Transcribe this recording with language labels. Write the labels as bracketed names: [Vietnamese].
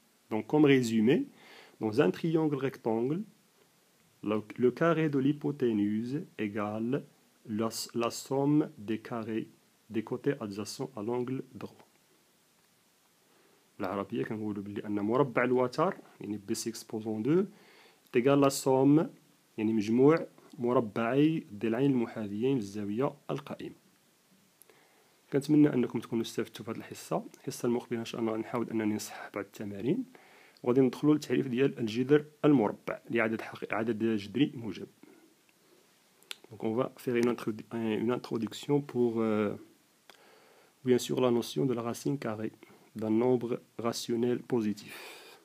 [French] Donc comme résumé, dans un triangle rectangle, le carré de l'hypoténuse égale la somme des carrés des côtés adjacents à l'angle droit. L'arabie, quand vous l'oubliez, un [Arabic] مربع الوتر, يعني [French] BC exposant 2, est égal à la somme, [Arabic] يعني مجموع مربعي الضلعين المحاذيين للزاوية القائمة. كنتمنى أنكم تكونوا استفدتوا في هذه الحصة. الحصة المقبلة إن شاء الله نحاول أنني نصحح بعض التمارين. وغادي ندخلوا للتعريف ديال الجذر المربع لعدد عدد جذري موجب. [French] Donc on va faire une introduction pour, bien sûr, la notion de la racine carrée d'un nombre rationnel positif.